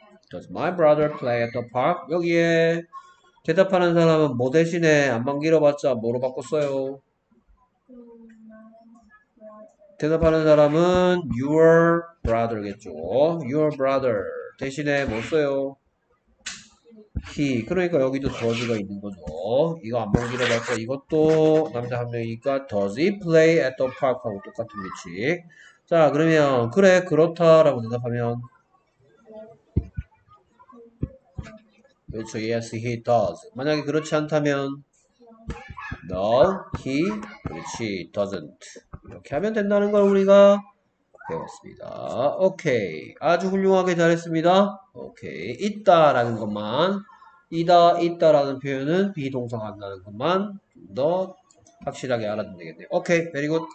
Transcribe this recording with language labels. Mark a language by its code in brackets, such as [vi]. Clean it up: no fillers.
[en] Does my brother play at the park? [ko] 여기에 대답하는 사람은 뭐 대신에 안만 길어봤자 뭐로 바꿨어요? 대답하는 사람은 [en] your brother [ko] 겠죠. [en] Your brother. [ko] 대신에 뭐 써요? He. 그러니까 여기도 does가 있는 거죠. 이거 안 먹이려봤자 이것도 남자 한 명이니까 [en] does he play at the park [ko] 하고 똑같은 위치. 자, 그러면 그래 그렇다라고 대답하면 그렇죠. [en] Yes, he does. [ko] 만약에 그렇지 않다면 [en] No, he, she doesn't. [ko] 이렇게 하면 된다는 걸 우리가 배웠습니다. 오케이. 아주 훌륭하게 잘했습니다. 오케이. 있다라는 것만 이다, 있다라는 표현은 비동사가 한다는 것만 좀더 확실하게 알아두면 되겠네요. 오케이, [en] very good.